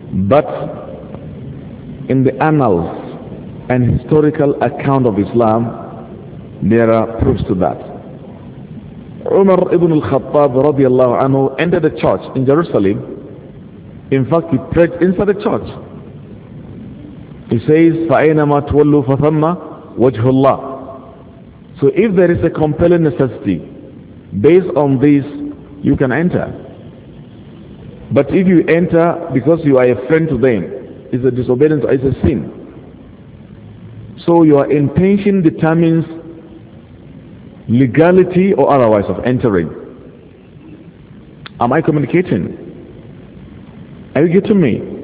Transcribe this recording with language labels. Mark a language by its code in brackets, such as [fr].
[en] But in the annals and historical account of Islam, there are proofs to that. Umar ibn al-Khattab radiallahu anhu entered the church in Jerusalem. In fact, he prayed inside the church. He says, [ar] فَأَيْنَمَا تُوَلُّوا فَثَمَّ وَجْهُ اللَّهِ. [en] So if there is a compelling necessity, based on this, you can enter. But if you enter because you are a friend to them, it's a disobedience, it's a sin. So your intention determines legality or otherwise of entering. Am I communicating? Are you getting me?